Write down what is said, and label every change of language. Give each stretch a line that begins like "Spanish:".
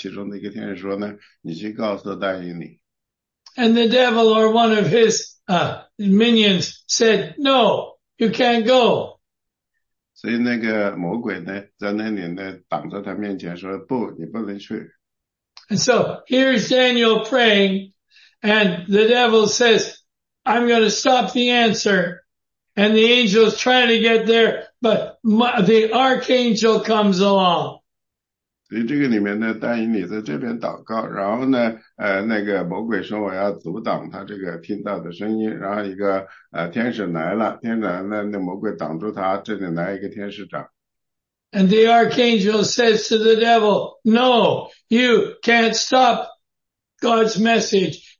Chinese: 在大以理书里,大以理在祷告,主跟他其中的一个天使说呢,你去告诉大以理。
English: And the devil or one of his minions said, no. You can't go.
Chinese: 所以那个魔鬼呢,在那里呢,挡在他面前说,不,你不能去。
English: And so, here's Daniel praying, and the devil says, I'm going to stop the answer. And the angel is trying to get there, but the archangel comes along.
Chinese: 所以这个里面呢,大以理在这边祷告,然后呢,那个魔鬼说我要阻挡他这个听到的声音,然后一个天使来了,天使来了,那魔鬼挡住他,这里来一个天使长。
English: And the archangel says to the devil, no, you can't stop God's message.